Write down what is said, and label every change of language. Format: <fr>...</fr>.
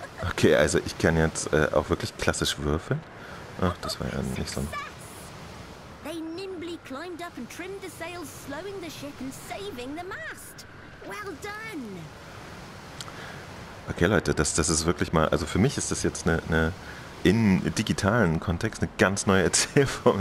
<de>Okay, also ich kann jetzt auch wirklich klassisch würfeln. Ach, das war ja nicht so.</de> <en>They nimbly climbed up and trimmed the sails, slowing the ship and saving the mast. Well done.</en> <de>Okay, Leute, das ist wirklich mal, also für mich ist das jetzt eine in digitalen Kontext eine ganz neue Erzählform.</de>